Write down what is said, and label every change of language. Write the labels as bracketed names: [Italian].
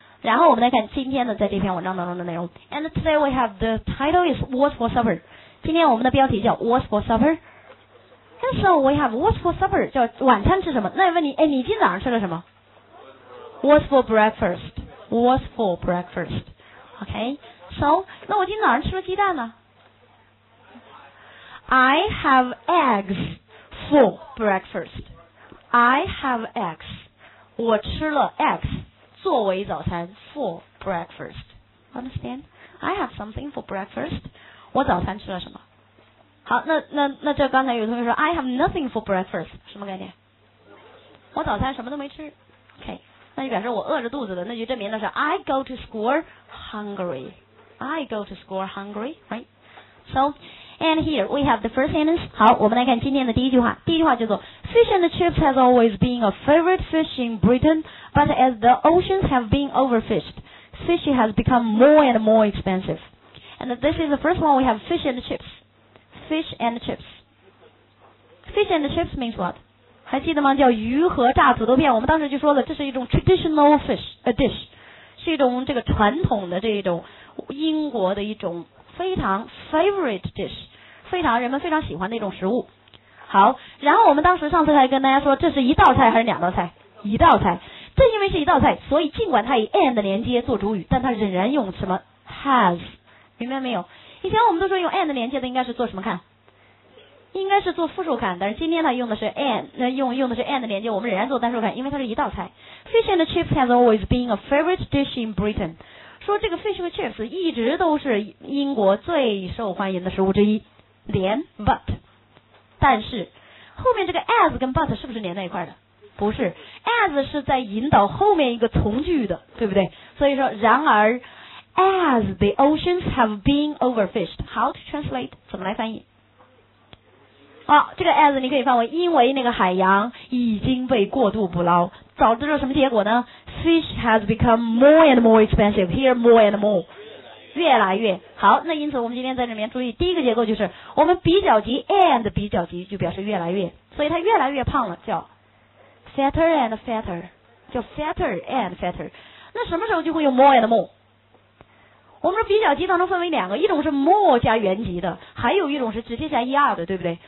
[Chinese] 然后我们来看今天的在这篇文章当中的内容。 [English] And today we have the title is What's for Supper. [Chinese] 今天我们的标题叫 What's for Supper. [English] And so we have What's for Supper, [Chinese] 叫晚餐吃什么？那问你，哎，你今早上吃了什么？ [English] What's for breakfast? What's for breakfast? Okay. [Chinese] So, 那我今早上吃了鸡蛋呢？ [English] I have eggs for breakfast. I have eggs. [Chinese] 我吃了 eggs 作为早餐 [English] for breakfast. Understand? I have something for breakfast. [Chinese] 我早餐吃了什么？好，那这刚才有同学说 [English] I have nothing for breakfast. [Chinese] 什么概念？我早餐什么都没吃。 OK, 那就表示我饿着肚子的，那就证明的是 [English] I go to school hungry. I go to school hungry, right? So,And here we have the first sentence. [Chinese] 好，我们来看今天的第一句话。第一句话叫做 [English] Fish and chips has always been a favorite fish in Britain, but as the oceans have been overfished, fish has become more and more expensive. And this is the first one. We have fish and chips. Fish and chips. Fish and chips means what? [Chinese] 还记得吗？叫鱼和炸土豆片。我们当时就说了，这是一种 [English] traditional fish, a dish. [Chinese] 是一种这个传统的这一种英国的一种非常 [English] favorite dish, [Chinese] 非常人们非常喜欢的一种食物。好，然后我们当时上次还跟大家说，这是一道菜还是两道菜？一道菜。正因为是一道菜，所以尽管它以 and 连接做主语，但它仍然用什么 has, 明白没有？以前我们都说用 and 连接的应该是做什么看？应该是做复数看，但是今天它用的是 and, 用的是 and 连接，我们仍然做单数看，因为它是一道菜。 [English] Fish and chips has always been a favorite dish in Britain. [Chinese] 说这个 fish and chips 一直都是英国最受欢迎的食物之一，连 but, 但是后面这个 as 跟 but 是不是连在一块的？不是， as 是在引导后面一个从句的，对不对？所以说然而 [English] as the oceans have been overfished, how to translate, [Chinese] 怎么来翻译？啊，这个 as 你可以翻为因为那个海洋已经被过度捕捞，导致了什么结果呢？ [English] Fish has become more and more expensive. Here, more and more. [Chinese] 越来越好。那因此我们今天在这边注意第一个结构，就是我们比较级 and 比较级就表示越来越，所以它越来越胖了，叫 [English] fatter and fatter, [Chinese] 叫 fatter and fatter. 那什么时候就会用 more and more? 我们说比较级当中分为两个，一种是 more 加原级的，还有一种是直接加 er 的，对不对？